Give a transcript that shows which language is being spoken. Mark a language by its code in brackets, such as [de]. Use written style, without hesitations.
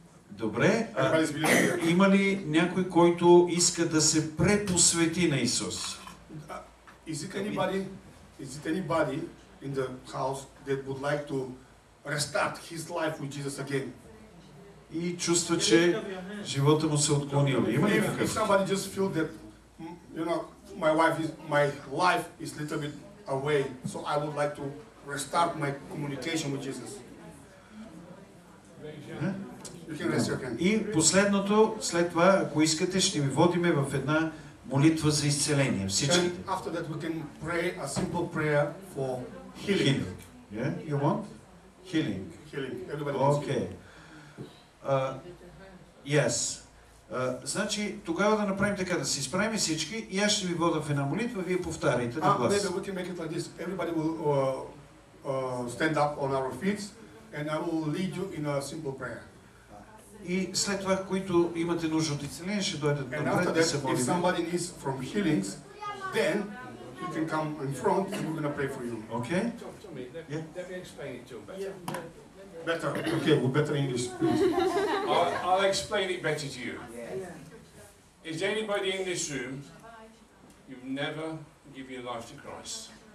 [bg] Добре, има ли някой, който иска да се препосвети на Исус? [en] Is it anybody in the house that would like to restart his life with Jesus again? [bg] И чувства, че живота му се отклонил. Има ли някой? [en] If somebody just feel that, you know, my life is a little bit away, so I would like to restart my communication with Jesus. [bg] И последното, след това, ако искате, ще ви водиме в една молитва за изцеление. Всички. [en] After that we can pray a simple prayer for healing. Healing. Yeah? You want? Healing. Healing. Okay. Yes. [bg] Значи, тогава да направим така, да се изправим всички и аз ще ви вода в една молитва, вие повтаряйте на глас. [en] Maybe we can make it like this. Everybody will stand up on our feet and I will lead you in a simple prayer. [bg] И след това, които имате нужда от изцеление, ще дойдат напред да се молим. [en] If somebody needs from healings, then you can come in front and we're going to pray for you. Okay? Tell me, let me explain it to them better. Better. Okay, well, better English, please. I'll explain it better to you. Is anybody in this room, you've never given your life to Christ?